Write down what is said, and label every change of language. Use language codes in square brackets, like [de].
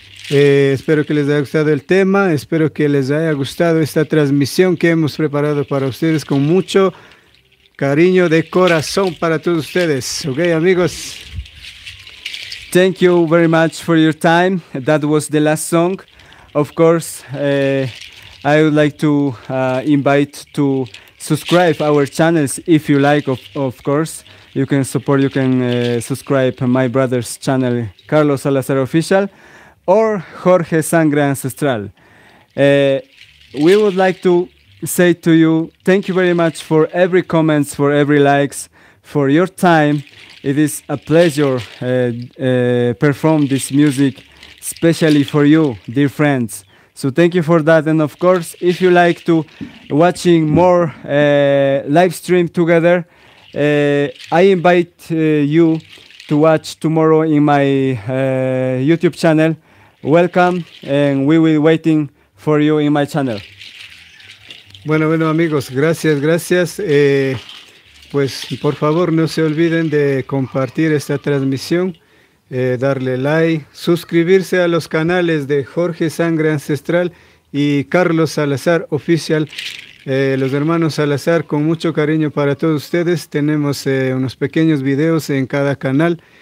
[es] Espero que les haya gustado el tema. Espero que les haya gustado esta transmisión que hemos preparado para ustedes con mucho cariño de corazón para todos ustedes. Ok, amigos. [en] Thank you very much for your time. That was the last song. Of course, I would like to invite to subscribe our channels if you like, of course. You can subscribe my brother's channel, Carlos Salazar Official, or Jorge Sangre Ancestral. We would like to say to you, thank you very much for every comments, for every likes, for your time. It is a pleasure perform this music, especially for you, dear friends. So thank you for that. And of course, if you like to watching more live stream together, I invite you to watch tomorrow in my YouTube channel. Welcome, and we will waiting for you in my channel. [es] Bueno, amigos, gracias. Pues, por favor, no se olviden de compartir esta transmisión, darle like, suscribirse a los canales de Jorge Sangre Ancestral y Carlos Salazar Oficial. Los hermanos Salazar, con mucho cariño para todos ustedes, tenemos unos pequeños videos en cada canal.